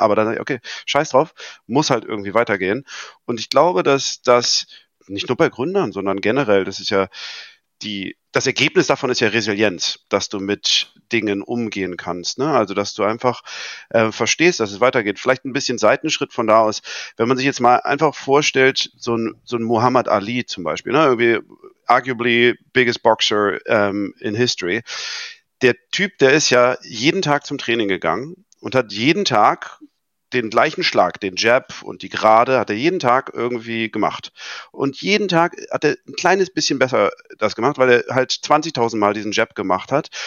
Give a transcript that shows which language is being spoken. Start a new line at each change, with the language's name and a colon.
German: Aber dann sage ich, okay, scheiß drauf, muss halt irgendwie weitergehen. Und ich glaube, dass das nicht nur bei Gründern, sondern generell, das ist ja das Ergebnis davon ist ja Resilienz, dass du mit Dingen umgehen kannst, ne? Also, dass du einfach verstehst, dass es weitergeht. Vielleicht ein bisschen Seitenschritt von da aus. Wenn man sich jetzt mal einfach vorstellt, so ein Muhammad Ali zum Beispiel, ne?
English: Irgendwie arguably biggest boxer in history.
German: Der Typ, der ist ja jeden Tag zum Training gegangen und hat jeden Tag den gleichen Schlag, den Jab und die Gerade hat er jeden Tag irgendwie gemacht. Und jeden Tag hat er ein kleines bisschen besser das gemacht, weil er halt 20.000 Mal diesen Jab gemacht hat.